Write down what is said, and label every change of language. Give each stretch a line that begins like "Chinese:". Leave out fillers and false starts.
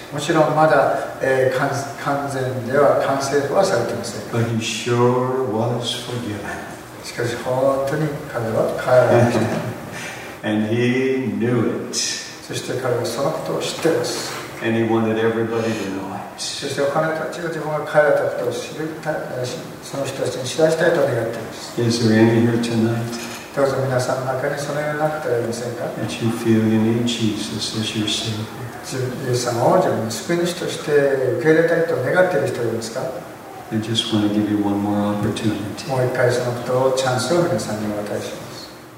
Japanese: もちろんまだ、完全では完成はされていません。
English: But he sure was forgiven.
Japanese: しかし本当に彼は変わりました。
English: And he knew it.
Japanese: そして彼はそのことを知っています。
English: And he wanted everybody to know it.
Japanese: そして他の人たちが自分が変わったことを知りたい、その人たちに知らしたいと願っています。
English: Is there any here tonight?
Japanese: どうぞ皆さんの中にそのようになくてはいませんか?
English: That you feel you need Jesus as your Savior.
Japanese: イエス様を自分の救い主として受け入れたいと願っている人はいますか?
English: I just want to give you one more opportunity.
Japanese: もう一回そのことをチャンスを皆さんにお渡しします。